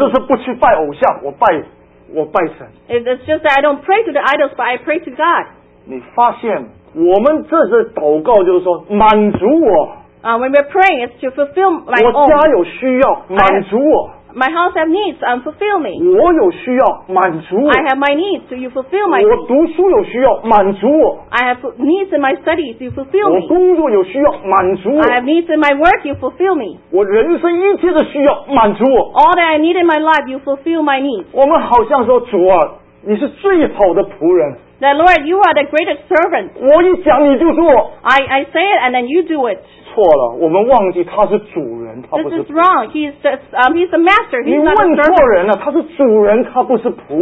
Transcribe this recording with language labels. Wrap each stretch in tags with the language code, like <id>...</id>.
<zh>我只是不去拜偶像，我拜神。</zh> <en>It's just that I don't pray to the idols, but I pray to God.</en> <zh>你发现我们这次祷告就是说满足我。</zh> <en>When we're praying, it's to fulfill my own.</en> <zh>我家有需要，满足我。</zh> <en>My house have needs, fulfill me.</en> <zh>我有需要，满足我。</zh> <en>I have my needs, so you fulfill my needs.</en> <zh>我读书有需要，满足我。</zh> <en>I have needs in my studies, so you fulfill me.</en> <zh>我工作有需要，满足我。</zh> <en>I have needs in my work, you fulfill me.</en> <zh>我人生一切的需要，满足我。</zh> <en>All that I need in my life, you fulfill my needs.</en> <zh>我们好像说主啊, 你是最好的仆人。</zh> <en>The Lord, you are the greatest servant.</en> <zh>我一讲你就做。</zh> <en>I say it and then you do it.</en> <zh>错了，我们忘记他是主人，</zh> <en>this is wrong. He's the master. He's not a servant.</en> <zh>你问错人了，他是主人，他不是仆人。</zh>